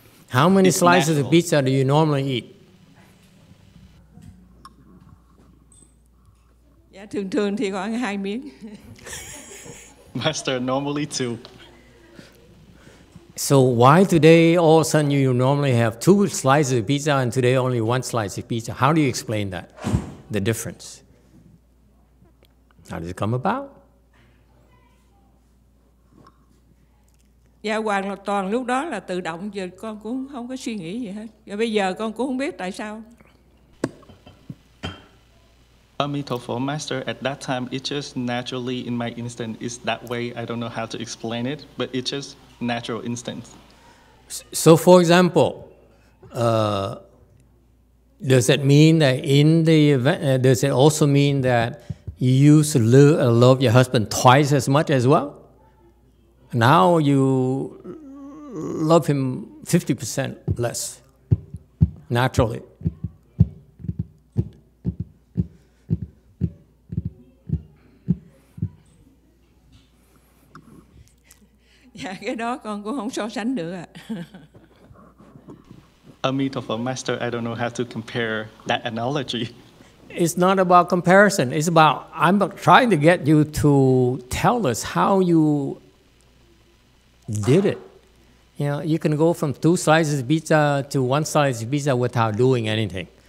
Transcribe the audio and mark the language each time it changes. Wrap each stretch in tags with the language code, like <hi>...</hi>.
<en>How many it's slices natural. Of pizza do you normally eat?</en> <vi>Yeah, thường thường thì khoảng hai miếng.</vi> <en>Master, normally two. So why today all of a sudden you normally have two slices of pizza and today only one slice of pizza? How do you explain that, the difference? How did it come about?</en> <vi>Dạ hoàn toàn lúc đó là tự động, giờ con cũng không có suy nghĩ gì hết. Và bây giờ con cũng không biết tại sao.</vi> <en>Amitofo Master, at that time it just naturally in my instant is that way. I don't know how to explain it, but it's just natural instant. So for example, does that mean that in the event, does it also mean that you used to love your husband twice as much as well? Now you love him 50% less, naturally.</en> <vi>Yeah, cái đó con cũng không so sánh được ạ.</vi> <en>Amitabha Master, I don't know how to compare that analogy. It's not about comparison. It's about I'm trying to get you to tell us how you did it. You know, you can go from two slices of pizza to one slice of pizza without doing anything.</en>